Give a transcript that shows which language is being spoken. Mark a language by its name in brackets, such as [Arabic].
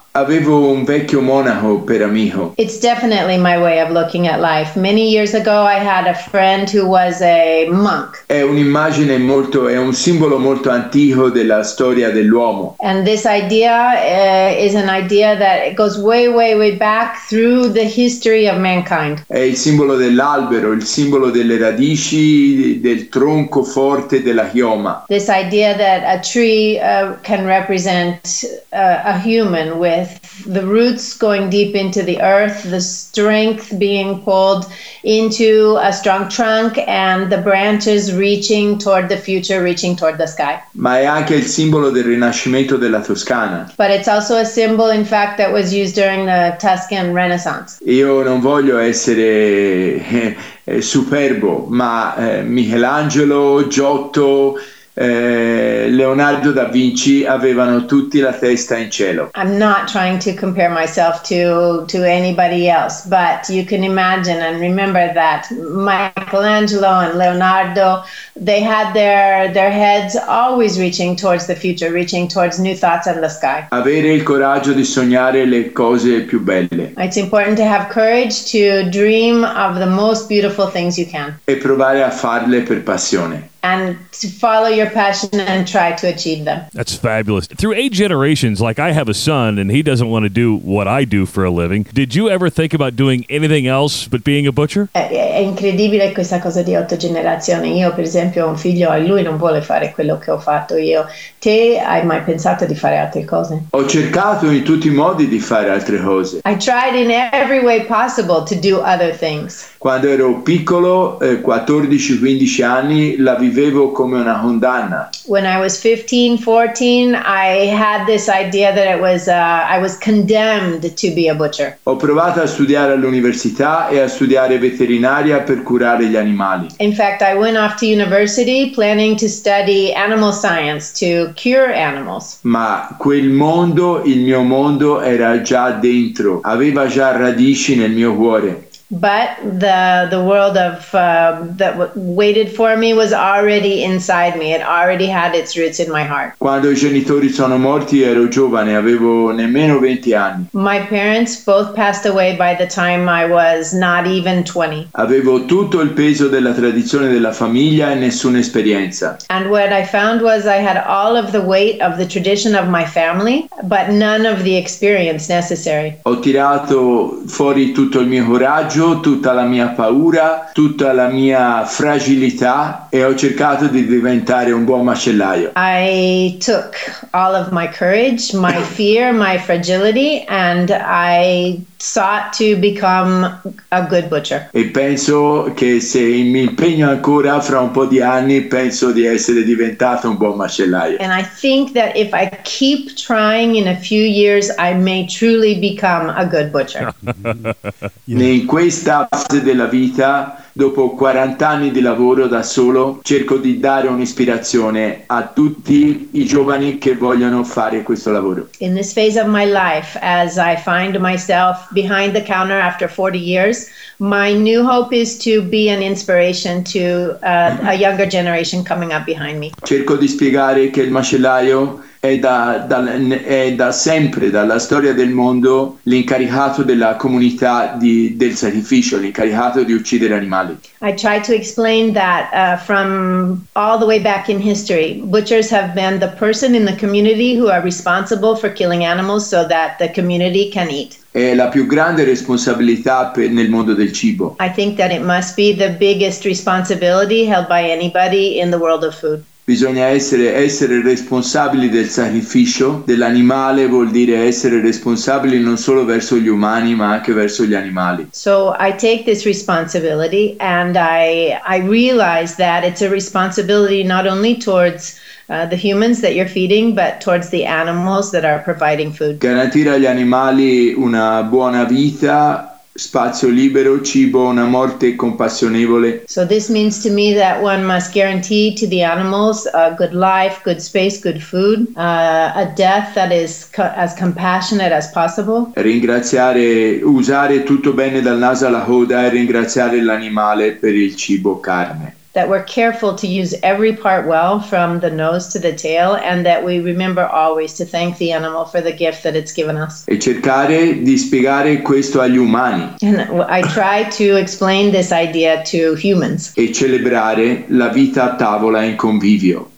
[Italian] Avevo un vecchio monaco per amico. [English] It's definitely my way of looking at life. Many years ago I had a friend who was a monk. [Italian] È un'immagine molto, è un simbolo molto antico della storia dell'uomo. [English] And this idea is an idea that it goes way, way, way back through the history of mankind. [Italian] È il simbolo dell'albero, il simbolo delle radici, del tronco forte della chioma. [English] This idea that a tree can represent a human with the roots going deep into the earth, the strength being pulled into a strong trunk, and the branches reaching toward the future, reaching toward the sky. [Italian] Ma è anche il simbolo del rinascimento della Toscana. [English] But it's also a symbol, in fact, that was used during the Tuscan Renaissance. [Italian] Io non voglio essere superbo, ma Michelangelo, Giotto, Leonardo da Vinci avevano tutti la testa in cielo. [English] I'm not trying to compare myself to anybody else, but you can imagine and remember that Michelangelo and Leonardo, they had their heads always reaching towards the future, reaching towards new thoughts and the sky. [Italian] Avere il coraggio di sognare le cose più belle. [English] It's important to have courage to dream of the most beautiful things you can. [Italian] E provare a farle per passione. [English] and to follow your passion and try to achieve them. That's fabulous. Through eight generations, like I have a son and he doesn't want to do what I do for a living. Did you ever think about doing anything else but being a butcher? [Italian] È incredibile questa cosa di otto generazioni. Io, per esempio, ho un figlio e lui non vuole fare quello che ho fatto io. Te hai mai pensato di fare altre cose? Ho cercato in tutti i modi di fare altre cose. [English] I tried in every way possible to do other things. [Italian] Quando ero piccolo, 14-15 anni, la vivevo come una condanna. [English] When I was 15-14, I had this idea that it was I was condemned to be a butcher. [Italian] Ho provato a studiare all'università e a studiare veterinaria per curare gli animali. [English] In fact, I went off to university planning to study animal science to cure animals. [Italian] Ma quel mondo, il mio mondo, era già dentro. Aveva già radici nel mio cuore. [English] But the world of that waited for me was already inside me. It already had its roots in my heart. [Italian] Quando i genitori sono morti ero giovane, avevo nemmeno 20 anni. [English] My parents both passed away by the time I was not even 20. [Italian] Avevo tutto il peso della tradizione della famiglia e nessuna esperienza. [English] And what I found was I had all of the weight of the tradition of my family, but none of the experience necessary. [Italian] Ho tirato fuori tutto il mio coraggio, tutta la mia paura, tutta la mia fragilità, e ho cercato di diventare un buon macellaio. [English] I took all of my courage, my fear, my fragility, and I sought to become a good butcher. [Italian] E penso che se mi impegno ancora fra un po' di anni, penso di essere diventato un buon macellaio. [English] And I think that if I keep trying in a few years, I may truly become a good butcher. [Italian] In questa fase della vita, dopo 40 anni di lavoro da solo, cerco di dare un'ispirazione a tutti i giovani che vogliono fare questo lavoro. [English] In this phase of my life, as I find myself behind the counter after 40 years, my new hope is to be an inspiration to a younger generation coming up behind me. [Italian] Cerco di spiegare che il macellaio è da sempre, dalla storia del mondo, l'incaricato della comunità del sacrificio, l'incaricato di uccidere animali. [English] I try to explain that from all the way back in history, butchers have been the person in the community who are responsible for killing animals so that the community can eat. [Italian] È la più grande responsabilità nel mondo del cibo. [English] I think that it must be the biggest responsibility held by anybody in the world of food. [Italian] Bisogna essere responsabili del sacrificio dell'animale, vuol dire essere responsabili non solo verso gli umani ma anche verso gli animali. [English] So I take this responsibility and I realize that it's a responsibility not only towards the humans that you're feeding, but towards the animals that are providing food. [Italian] Garantire agli animali una buona vita, spazio libero, cibo, una morte compassionevole. [English] So this means to me that one must guarantee to the animals a good life, good space, good food, a death that is as compassionate as possible. [Italian] Ringraziare, usare tutto bene dal naso alla coda e ringraziare l'animale per il cibo, carne. [English] That we're careful to use every part well, from the nose to the tail, and that we remember always to thank the animal for the gift that it's given us. [Italian] E cercare di spiegare questo agli umani. [English] And I try to explain this idea to humans. [Italian] E celebrare la vita a tavola in convivio.